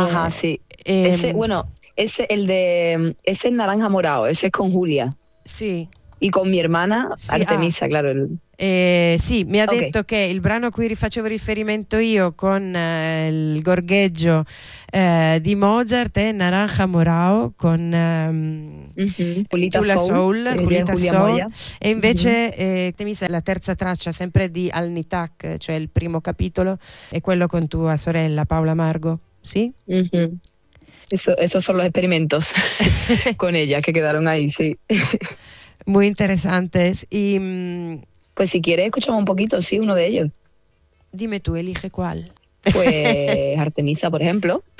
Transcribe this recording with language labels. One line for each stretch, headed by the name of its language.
Spanish: Sì, ese el de ese es naranja morado, ese es con Julia. Sí. Y con mi hermana sí, Artemisa, claro.
Italian: Sì, mi ha detto che il brano a cui facevo riferimento io con il gorgheggio di Mozart è Naranja Morao con Julita Soul e invece Temisa, la terza traccia sempre di Al Nitak, cioè il primo capitolo, è quello con tua sorella Paola Margo, sì?
Spanish: Esos son los experimentos con ella que quedaron ahí, sí. Muy interesantes. Y, pues si quieres, escuchamos un poquito, sí, uno de ellos. Dime tú, elige cuál. Pues Artemisa, por ejemplo.